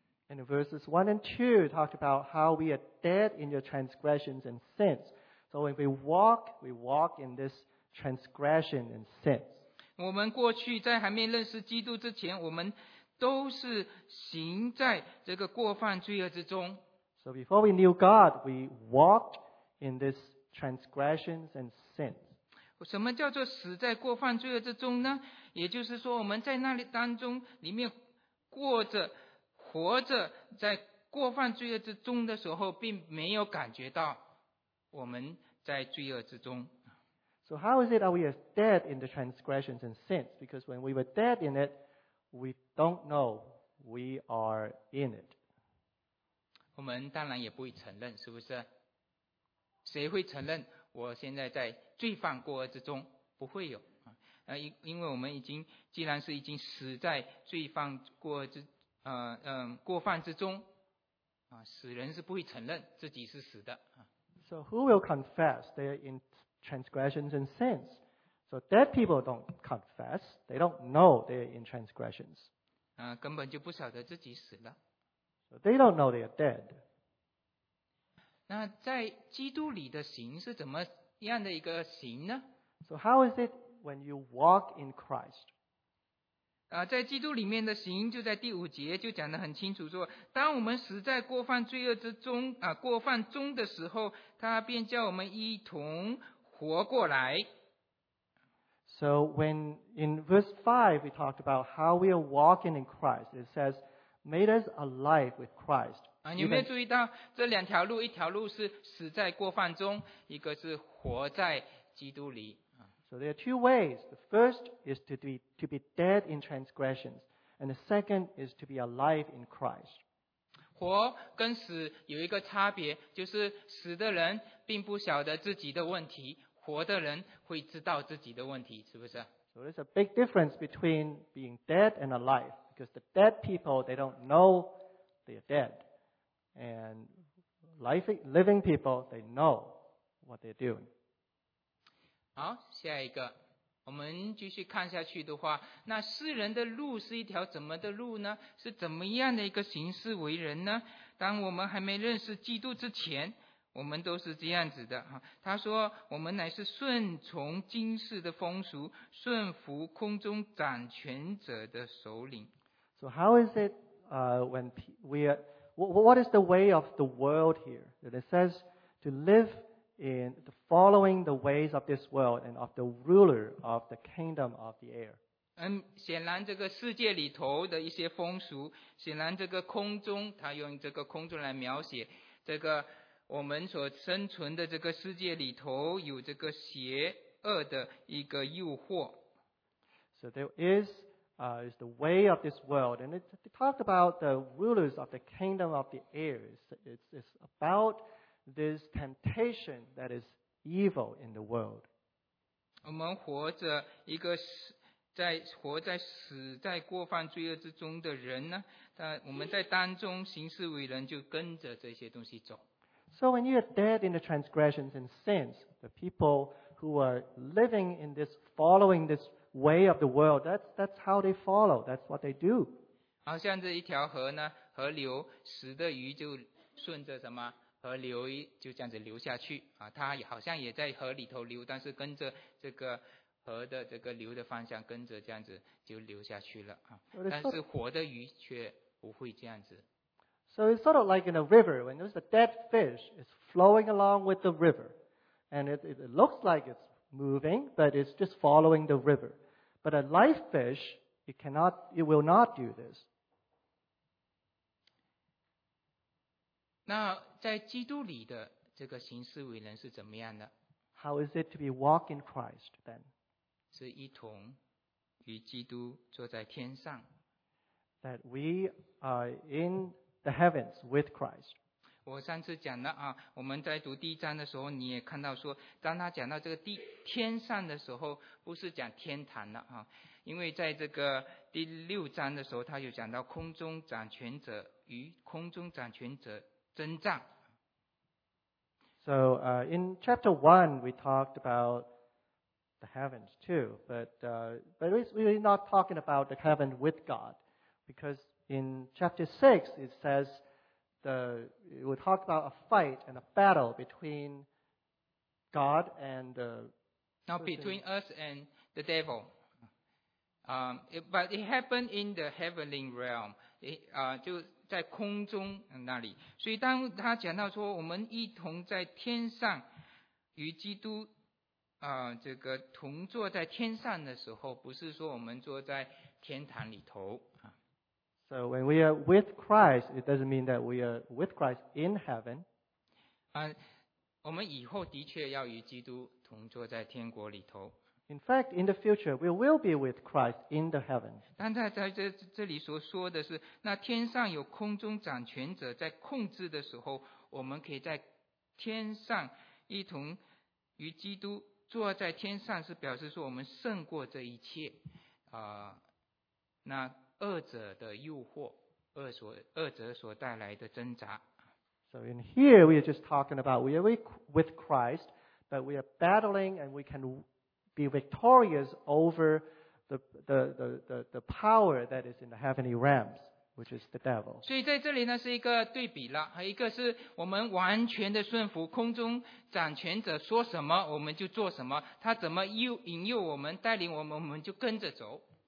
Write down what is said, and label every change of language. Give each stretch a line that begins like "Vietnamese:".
English: And verses 1 and 2 talked about how we are dead in your transgressions and sins. So when we walk in this transgression and sins.
Chinese: 我们过去在还没认识基督之前，我们都是行在这个过犯罪恶之中。
English: So before we knew God, we walked in this transgressions and sins.
Chinese: 什么叫做死在过犯罪恶之中呢？也就是说我们在那里当中里面过着活着，在过犯罪恶之中的时候，并没有感觉到我们在罪恶之中。
English: So how is it that we are dead in the transgressions and sins? Because when we were dead in it, we don't know we are in it.
Chinese: 我们当然也不会承认，是不是？谁会承认我现在在罪犯过恶之中，不会有。因为我们已经既然是已经死在罪犯过恶之过犯之中，死人是不会承认自己是死的。
English: So who will confess their in transgressions and sins? So dead people don't confess, they don't know they're in transgressions.
Chinese: 根本就不晓得自己死了。
English: So they don't know they are dead.
Chinese: 那在基督里的刑是怎么样的一个刑呢？
English: So how is it when you walk in Christ?
Chinese: 在基督里面的刑就在第五节就讲得很清楚，说当我们死在过犯罪恶之中过犯中的时候，他便叫我们一同活过来。
English: So when in verse 5 we talked about how we are walking in Christ, it says made us alive with Christ.
Chinese: 你有没有注意到这两条路，一条路是死在过犯中，一个是活在基督里。
English: So there are two ways. The first is to be dead in transgressions, and the second is to be alive in Christ.
Chinese: 活跟死有一个差别，就是死的人并不晓得自己的问题，活的人会知道自己的问题，是不是？
English: So there's a big difference between being dead and alive, because the dead people, they don't know they are dead. And living people, they know what they're doing.
Chinese: 好，下一个我们继续看下去的话，那世人的路是一条怎么的路呢？是怎么样的一个形式为人呢？当我们还没认识基督之前，我们都是这样子的。他说我们乃是顺从今世的风俗，顺服空中掌权者的首领。
English: So how is it when we are, what is the way of the world here? That it says to liveIn following the ways of this world and of the ruler of the kingdom of the air.
Chinese: 显然这个世界里头的一些风俗，显然这个空中，他用这个空中来描写这个我们所生存的这个世界里头有这个邪恶的一个诱惑。
English: So there is the way of this world, and it talked about the rulers of the kingdom of the air. It's aboutThis temptation that is evil in the world.
Chinese: 我们活着一个死在过犯罪恶之中的人呢，我们在当中行事为人就跟着这些东西走。
English: So when you are dead in the transgressions and sins, the people who are living in this, following this way of the world, that's how they follow. That's what they do.
Chinese: 好像这一条河呢，河流死的鱼就顺着什么？河流就这样子流下去，它好像也在河里头流，但是跟着这个河的这个流的方向跟着这样子就流下去了，但是活的鱼却不会这样子。
English: So it's sort of like in a river, when there's a dead fish, it's flowing along with the river, and it looks like it's moving, but it's just following the river. But a live fish, it will not do this.
Chinese: 那在基督里的这个行事为人是怎么样的？
English: How is it to be walk in Christ then?
Chinese: 是一同与基督坐在天上。
English: That we are in the heavens with Christ.
Chinese: 我上次讲了我们在读第一章的时候，你也看到说，当他讲到这个天上的时候，不是讲天堂了因为在这个第六章的时候，他就讲到空中掌权者与空中掌权者
English: So in chapter 1 we talked about the heavens too, but we're not talking about the heaven with God, because in chapter 6 it says it will talk about a fight and a battle between God and the now between us and the devil. But it happened in the heavenly realm.
Chinese: 就在空中那里，所以当他讲到说我们一同在天上与基督这个同坐在天上的时候，不是说我们坐在天堂里头。
English: So when we are with Christ, it doesn't mean that we are with Christ in heaven.
Chinese: 我们以后的确要与基督同坐在天国里头。
English: In fact, in the future, we will be with Christ in the heaven.
Chinese: 但在这里所说的是，那天上有空中掌权者在控制的时候，我们可以在天上一同与基督坐在天上是表示说我们胜过这一切、那恶者的诱惑 恶者所带来的挣扎
English: So in here we are just talking about we are with Christ but we are battling and we can be victorious over the power that is in the heavenly realms which is the devil
Chinese: 所以在这里呢是一个对比了一个是我们完全的顺服空中掌权者说什么我们就做什么他怎么引诱我们带领我们我们就跟着走